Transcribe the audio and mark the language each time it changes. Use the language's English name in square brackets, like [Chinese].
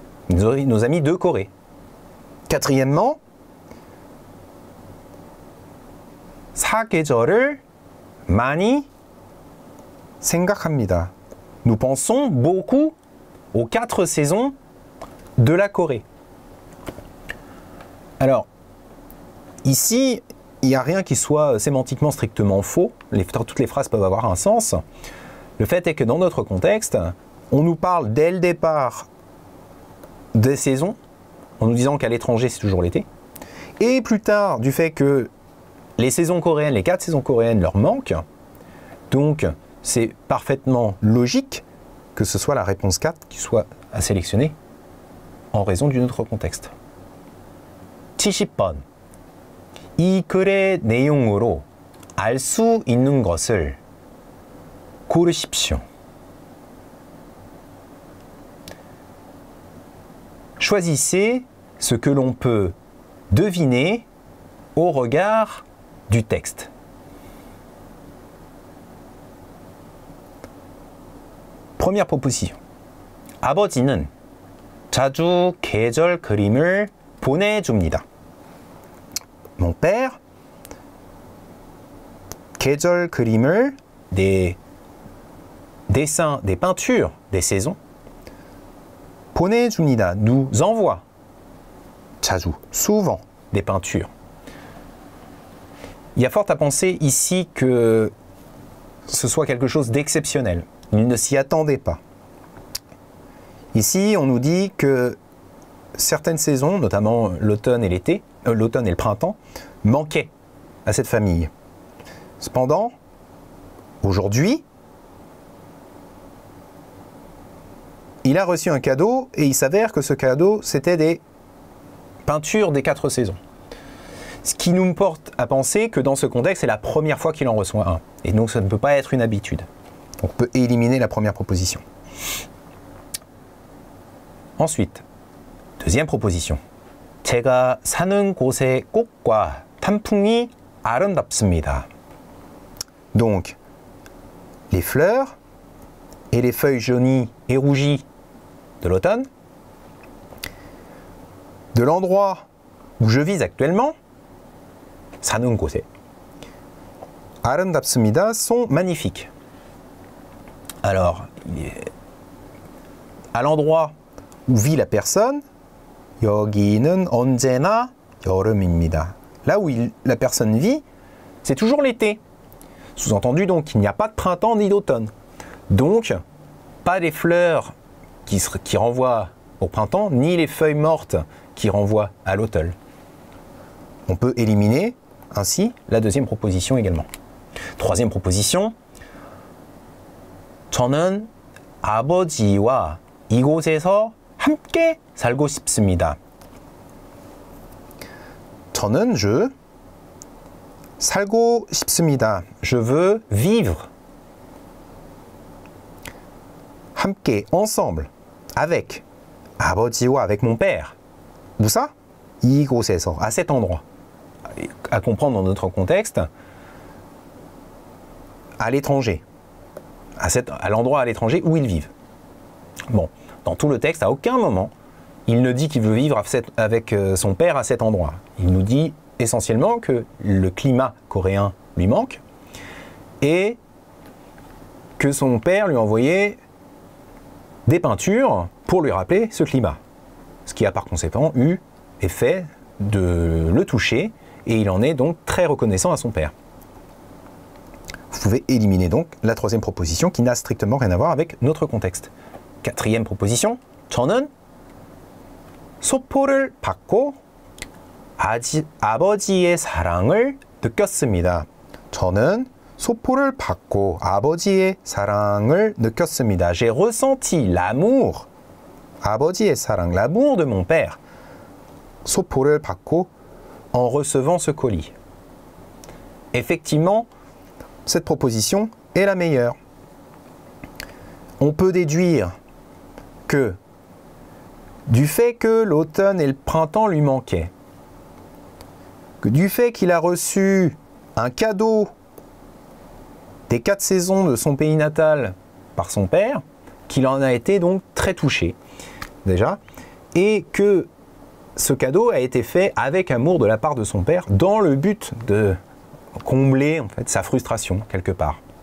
[French] Nos amis de Corée. [Korean] Quatrièmement, 사계절을 많이 생각합니다. [French] Nous pensons beaucoup aux quatre saisons de la Corée. Alors, ici, il n'y a rien qui soit sémantiquement strictement faux. Toutes les phrases peuvent avoir un sens. Le fait est que dans notre contexte, on nous parle dès le départ des saisons, en nous disant qu'à l'étranger, c'est toujours l'été. Et plus tard, du fait que les saisons coréennes, les quatre saisons coréennes leur manquent. Donc, c'est parfaitement logique que ce soit la réponse 4 qui soit à sélectionner en raison d'un autre contexte. [Korean] 70번. 이 글의 내용으로 알 수 있는 것을 고르십시오. [French] Choisissez ce que l'on peut deviner au regard du texte. Première proposition. [Korean] 아버지는 자주 계절 그림을 보내줍니다. [French] Mon père, [Korean] 계절 그림을, [French] des dessins, des peintures, des saisons, [Korean] 보내줍니다, [French] nous envoie, [Korean] 자주, [French] souvent, des peintures. Il y a fort à penser ici que ce soit quelque chose d'exceptionnel. Il ne s'y attendait pas. Ici, on nous dit que certaines saisons, notamment l'automne et l'été, l'automne et le printemps, manquaient à cette famille. Cependant, aujourd'hui, il a reçu un cadeau et il s'avère que ce cadeau, c'était des peintures des quatre saisons. Ce qui nous porte à penser que dans ce contexte, c'est la première fois qu'il en reçoit un. Et donc, ça ne peut pas être une habitude. On peut éliminer la première proposition. Ensuite, deuxième proposition. [Korean] 제가 사는 곳의 꽃과 단풍이 아름답습니다. [French] Donc, les fleurs et les feuilles jaunies et rougies de l'automne, de l'endroit où je vis actuellement, [Korean] 사는 곳에 아름답습니다 [French] sont magnifiques. Alors, à l'endroit où vit la personne, [Korean] 여기는 언제나 여름입니다. [French] Là où la personne vit, c'est toujours l'été. Sous-entendu donc qu'il n'y a pas de printemps ni d'automne. Donc, pas les fleurs qui renvoient au printemps, ni les feuilles mortes qui renvoient à l'automne. On peut éliminer ainsi la deuxième proposition également. Troisième proposition. [Korean] 저는 아버지와 이곳에서 함께 살고 싶습니다. 저는 je 살고 싶습니다. [French] Je veux vivre [Korean] 함께 [French] ensemble avec [Korean] 아버지와 [French] avec mon père. Où ça? [Korean] 이곳에서 [French] à cet endroit. À comprendre dans notre contexte à l'étranger. À l'endroit à l'étranger où ils vivent. Bon, dans tout le texte, à aucun moment, il ne dit qu'il veut vivre avec son père à cet endroit. Il nous dit essentiellement que le climat coréen lui manque et que son père lui envoyait des peintures pour lui rappeler ce climat. Ce qui a par conséquent eu effet de le toucher et il en est donc très reconnaissant à son père. Vous pouvez éliminer donc la troisième proposition qui n'a strictement rien à voir avec notre contexte. Quatrième proposition, [Korean] 저는 소포를 받고 아버지의 사랑을 느꼈습니다. 저는 소포를 받고 아버지의 사랑을 느꼈습니다. [French] J'ai ressenti l'amour. [Korean] 아버지의 사랑, [French] l'amour de mon père. [Korean] 소포를 받고 [French] en recevant ce colis. Effectivement, cette proposition est la meilleure. On peut déduire que du fait que l'automne et le printemps lui manquaient, que du fait qu'il a reçu un cadeau des quatre saisons de son pays natal par son père, qu'il en a été donc très touché, déjà, et que ce cadeau a été fait avec amour de la part de son père, dans le but de combler en fait, sa frustration, quelque part.